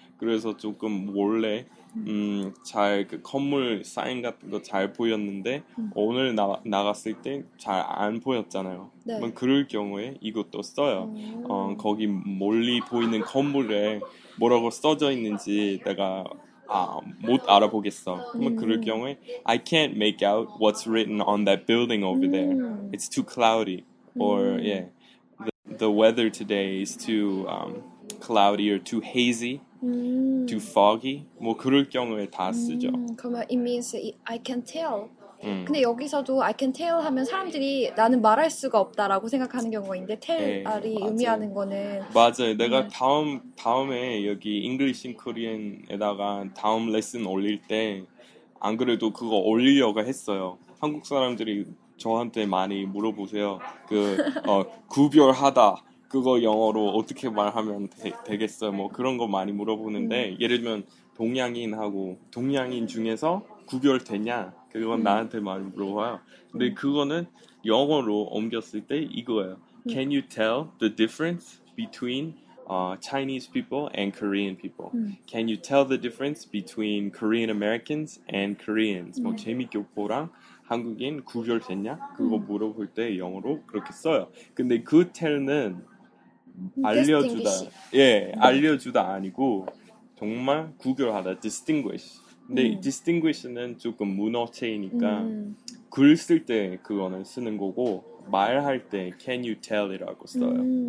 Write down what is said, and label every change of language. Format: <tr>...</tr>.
<ko>그래서 조금 몰래 잘 그 건물 사인 같은 거 잘 보였는데 오늘 나갔을 때 잘 안 보였잖아요. 네. 그럼 그럴 경우에 이것도 써요. 거기 멀리 보이는 건물에 뭐라고 써져 있는지 내가 못 알아보겠어. 그러면 그럴 경우에</ko> <en>I can't make out what's written on that building over there. It's too cloudy. Or yeah, the weather today is too cloudy or too hazy. Too foggy?</en> <ko>뭐 그럴 경우에 다 쓰죠. 그러면</ko> <en>it means I can tell.</en> <ko>근데 여기서도</ko> <en>I can tell</en> <ko>하면 사람들이 나는 말할 수가 없다라고 생각하는 경우인데 tell이 의미하는 거는 맞아요. 내가 다음에 여기 English in Korean에다가 다음 레슨 올릴 때 안 그래도 그거 올리려고 했어요. 한국 사람들이 저한테 많이 물어보세요. 그 구별하다. 그거 영어로 어떻게 말하면 되겠어요? 뭐 그런 거 많이 물어보는데 예를 들면 동양인하고 동양인 중에서 구별되냐? 그건 나한테 많이 물어봐요. 근데 그거는 영어로 옮겼을 때 이거예요.</ko> <en>Can you tell the difference between Chinese people and Korean people? Can you tell the difference between Korean Americans and Koreans?</en> <ko>뭐 제미 교포랑 한국인 구별됐냐? 그거 물어볼 때 영어로 그렇게 써요. 근데 그 tell는 알려주다 예 알려주다 아니고 정말 구별하다 distinguish 근데 distinguish는 조금 문어체이니까 글 쓸 때 그거는 쓰는 거고 말할 때</ko> <en>can you tell</en> <ko>이라고 써요</ko>